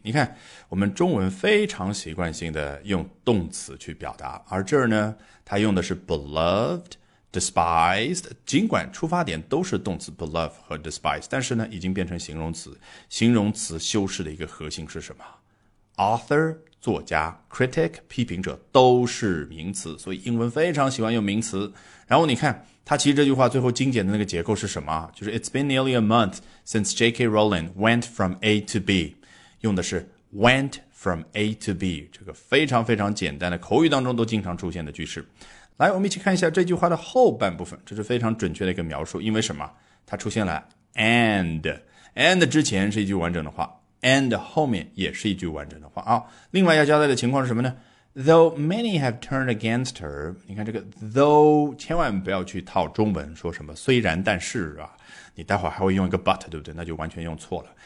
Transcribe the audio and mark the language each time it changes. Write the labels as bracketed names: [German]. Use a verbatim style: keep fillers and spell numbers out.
[Chinese] 你看，我们中文非常习惯性的用动词去表达，而这儿呢，它用的是 beloved、despised， 尽管出发点都是动词 beloved 和 despised， 但是呢，已经变成形容词。形容词修饰的一个核心是什么？author 作家， critic 批评者都是名词，所以英文非常喜欢用名词。然后你看他其实这句话最后精简的那个结构是什么？就是 [English] It's been nearly a month since J K Rowling went from A to B， [Chinese] 用的是 went from A to B， 这个非常非常简单的口语当中都经常出现的句式。来，我们一起看一下这句话的后半部分，这是非常准确的一个描述，因为什么？它出现了 and， and 之前是一句完整的话，and 后面也是一句完整的话啊。另外要交代的情况是什么呢？ [English] Though many have turned against her， [Chinese] 你看这个 though 千万不要去套中文，说什么虽然但是啊，你待会儿还会用一个 but， 对不对？那就完全用错了。